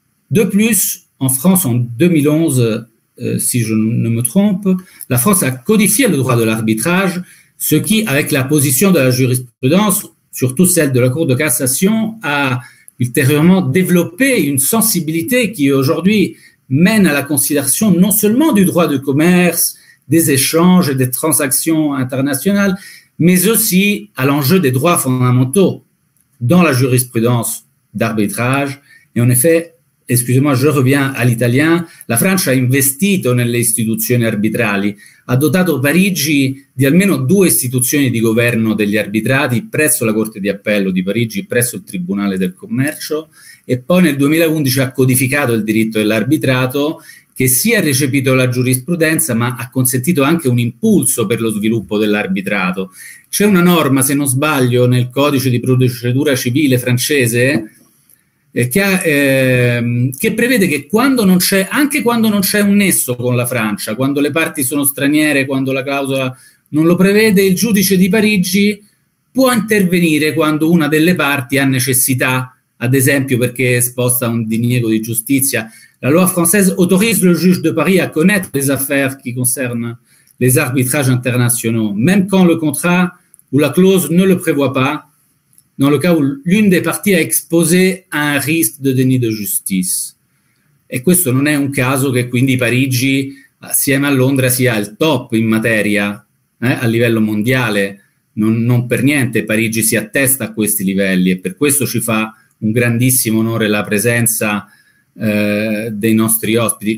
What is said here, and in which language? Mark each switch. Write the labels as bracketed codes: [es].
[fr] De plus, en France, en 2011, si je ne me trompe, la France a codifié le droit de l'arbitrage, ce qui, avec la position de la jurisprudence, surtout celle de la Cour de cassation, a ultérieurement développé une sensibilité qui aujourd'hui mène à la considération non seulement du droit du commerce, des échanges et des transactions internationales, mais aussi à l'enjeu des droits fondamentaux dans la jurisprudence d'arbitrage. Et en effet, excusez-moi, je reviens à l'italien, [it] la Francia ha investito nelle istituzioni arbitrali, ha dotato Parigi di almeno 2 istituzioni di governo degli arbitrati presso la Corte di Appello di Parigi, presso il Tribunale del Commercio, e poi nel 2011 ha codificato il diritto dell'arbitrato, che si è recepito la giurisprudenza, ma ha consentito anche un impulso per lo sviluppo dell'arbitrato. C'è una norma, se non sbaglio, nel codice di procedura civile francese che prevede che quando non c'è, anche quando non c'è un nesso con la Francia, quando le parti sono straniere, quando la clausola non lo prevede, il giudice di Parigi può intervenire quando una delle parti ha necessità, ad esempio perché è esposta a un diniego di giustizia. [fr] La loi française autorise le juge de Paris à connaître les affaires qui concernent les arbitrages internationaux, même quand le contrat ou la clause ne le prévoit pas, dans le cas où l'une des parties a exposé un risque de déni de justice. [it] Et questo non è un caso che quindi Parigi, assieme a Londra, sia il top in materia, a livello mondiale, non per niente Parigi si attesta a questi livelli e per questo ci fa un grandissimo onore la presenza dei nostri ospiti.